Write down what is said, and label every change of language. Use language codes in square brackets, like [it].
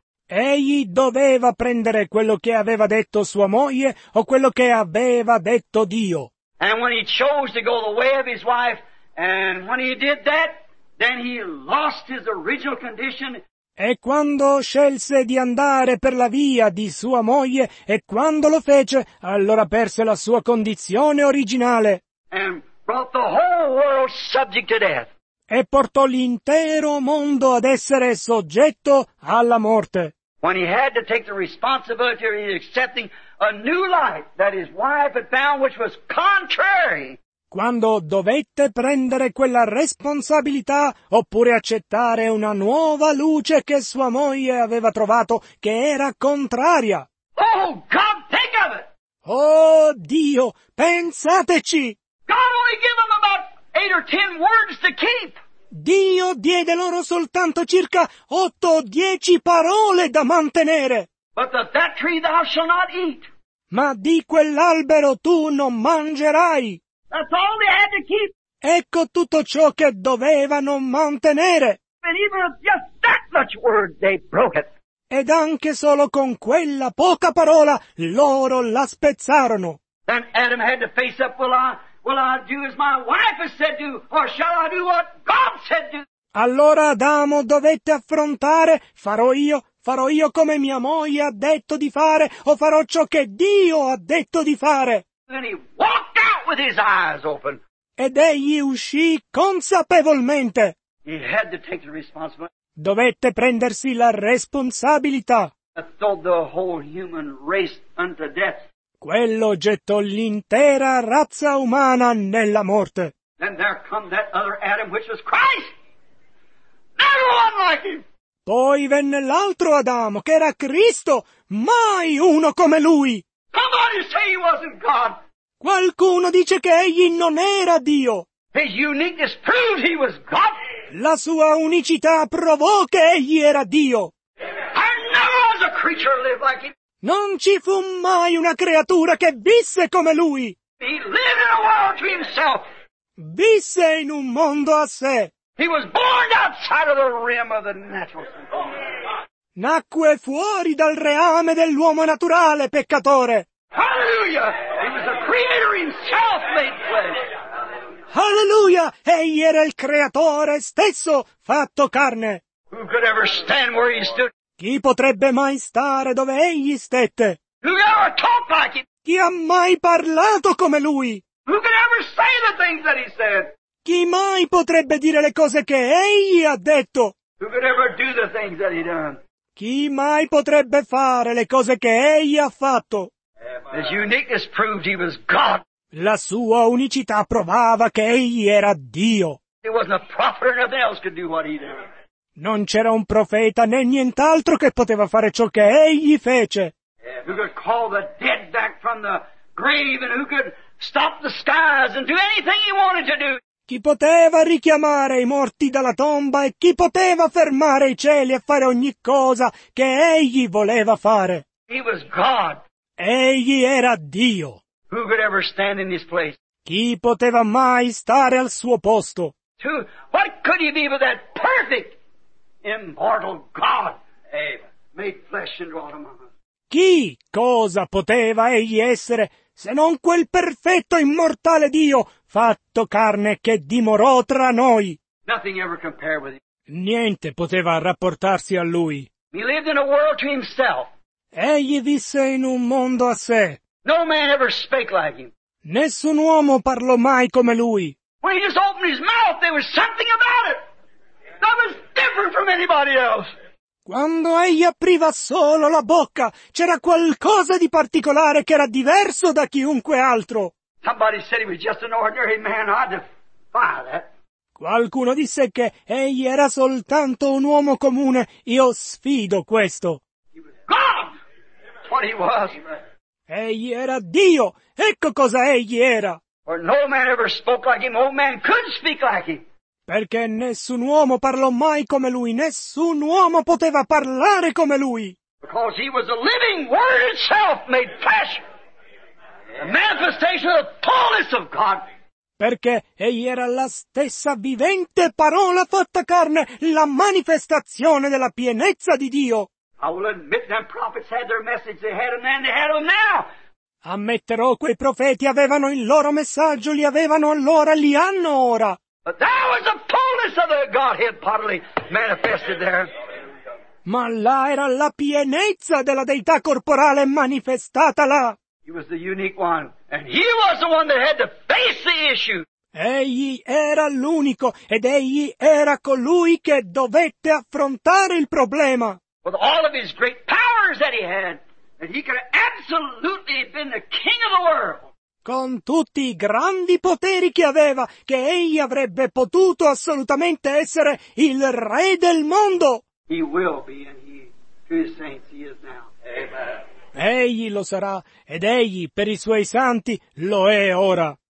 [it] Egli doveva prendere quello che aveva detto sua moglie o quello che aveva detto Dio. [en] And when he chose to go the way of his wife, and when he did that, then he lost his original condition. [it] E quando scelse di andare per la via di sua moglie, e quando lo fece, allora perse la sua condizione originale. [en] And brought the whole world subject to death. [it] E portò l'intero mondo ad essere soggetto alla morte. [en] When he had to take the responsibility of accepting a new life that his wife had found, which was contrary. [it] Quando dovette prendere quella responsabilità, oppure accettare una nuova luce che sua moglie aveva trovato, che era contraria. [en] Oh, God, think of it! [it] Oh, Dio, pensateci! [en] God only gave him about 8 or 10 words to keep. [it] Dio diede loro soltanto circa 8 o 10 parole da mantenere. [en] But of that tree thou shall not eat. [it] Ma di quell'albero tu non mangerai. [en] That's all they had to keep. [it] Ecco tutto ciò che dovevano mantenere. [en] And even with just that much word, they broke it. [it] Ed anche solo con quella poca parola, loro la spezzarono. [en] Then Adam had to face up, will I do as my wife has said to, or shall I do what God said to? [it] Allora Adamo dovette affrontare, farò io come mia moglie ha detto di fare, o farò ciò che Dio ha detto di fare. [en] Then he walked out with his eyes open. [it] Ed egli uscì consapevolmente. [en] He had to take the responsibility. [it] Dovette prendersi la responsabilità. [en] Thought the whole human race unto death. [it] Quello gettò l'intera razza umana nella morte. [en] Then there come that other Adam which was Christ. Never one like him. [it] Poi venne l'altro Adamo che era Cristo, mai uno come lui. [en] Somebody say he wasn't God. [it] Qualcuno dice che egli non era Dio. [en] His uniqueness proved he was God. [it] La sua unicità provò che egli era Dio. [en] I never was a creature live like him. [it] Non ci fu mai una creatura che visse come lui. [en] He lived in a world to himself. [it] Visse in un mondo a sé. [en] He was born outside of the realm of the natural. [it] Nacque fuori dal reame dell'uomo naturale, peccatore. Hallelujah! [en] He was the creator himself made flesh. Hallelujah! [it] Egli era il creatore stesso fatto carne. [en] Who could ever stand where he stood? [it] Chi potrebbe mai stare dove egli stette? [en] Who could ever talk like him? [it] Chi ha mai parlato come lui? [en] Who could ever say the things that he said? [it] Chi mai potrebbe dire le cose che egli ha detto? [en] Who could ever do the things that he done? [it] Chi mai potrebbe fare le cose che egli ha fatto? [en] His uniqueness proved he was God. [it] La sua unicità provava che egli era Dio. [en] It wasn't a prophet or nothing else could do what he did. [it] Non c'era un profeta né nient'altro che poteva fare ciò che egli fece. [en] Who could call the dead back from the grave and who could stop the skies and do anything he wanted to do? [it] Chi poteva richiamare i morti dalla tomba e chi poteva fermare i cieli e fare ogni cosa che egli voleva fare? [en] He was God. [it] Egli era Dio. [en] Who could ever stand in his place? [it] Chi poteva mai stare al suo posto? [en] To what could he be but that perfect immortal God, made flesh and dwelt among us. [it] Chi cosa poteva egli essere se non quel perfetto immortale Dio fatto carne che dimorò tra noi? [en] Nothing ever compared with him. [it] Niente poteva rapportarsi a lui. [en] He lived in a world to himself. [it] Egli visse in un mondo a sé. [en] No man ever spake like him. [it] Nessun uomo parlò mai come lui. [en] When he just opened his mouth, there was something about it. That was different from anybody else. [it] Quando egli apriva solo la bocca, c'era qualcosa di particolare che era diverso da chiunque altro. [en] Somebody said he was just an ordinary man. I defy that. [it] Qualcuno disse che egli era soltanto un uomo comune. Io sfido questo. [en] God! What he was. [it] Egli era Dio. Ecco cosa egli era. [en] For no man ever spoke like him. No man could speak like him. [it] Perché nessun uomo parlò mai come lui. Nessun uomo poteva parlare come lui. [en] Because he was the living word itself made flesh. A manifestation of the fullness of God. [it] Perché egli era la stessa vivente parola fatta carne, la manifestazione della pienezza di Dio. [en] I will admit them prophets had their message, they had them then, they had them now. [it] Ammetterò, quei profeti avevano il loro messaggio, li avevano allora, li hanno ora. [en] But that was the fullness of the Godhead bodily manifested there. [it] Ma là era la pienezza della deità corporale manifestata là. [en] He was the unique one, and he was the one that had to face the issue. [it] Egli era l'unico, ed egli era colui che dovette affrontare il problema. [en] With all of his great powers that he had, and he could have absolutely been the king of the world. [it] Con tutti i grandi poteri che aveva, che egli avrebbe potuto assolutamente essere il re del mondo. [en] He will be, and he, to his saints, he is now. Amen. [it] Egli lo sarà, ed egli, per i suoi santi, lo è ora.